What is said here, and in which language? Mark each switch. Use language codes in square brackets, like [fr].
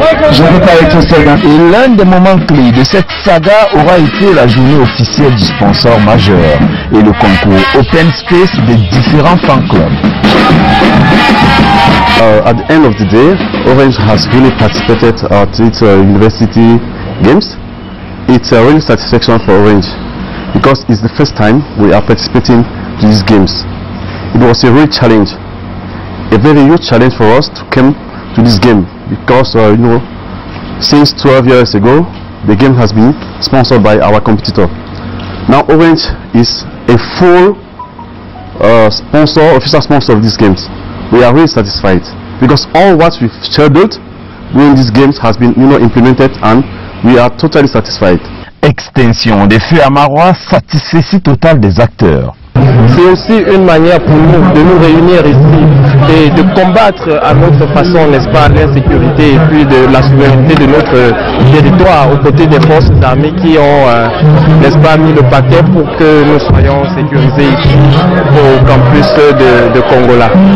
[fr] Et l'un des moments clés de cette saga aura été la journée officielle du sponsor majeur et le concours Open Space des différents fan clubs. [en] At the end of the day, Orange has really participated at its university games. It's a real satisfaction for Orange because it's the first time we are participating to these games. It was a real challenge, a very huge challenge for us to come to this game, because you know, since 12 years ago, the game has been sponsored by our competitor. Now Orange is a full sponsor, official sponsor of these games. We are really satisfied because all what we've scheduled during these games has been, you know, implemented, and we are totally satisfied. [fr] Extension des feux à Mawa, satisfaction totale des acteurs. C'est aussi une manière pour nous de nous réunir ici et de combattre à notre façon, n'est-ce pas, l'insécurité et puis de la souveraineté de notre territoire aux côtés des forces armées qui ont, n'est-ce pas, mis le paquet pour que nous soyons sécurisés ici au campus de Kongola.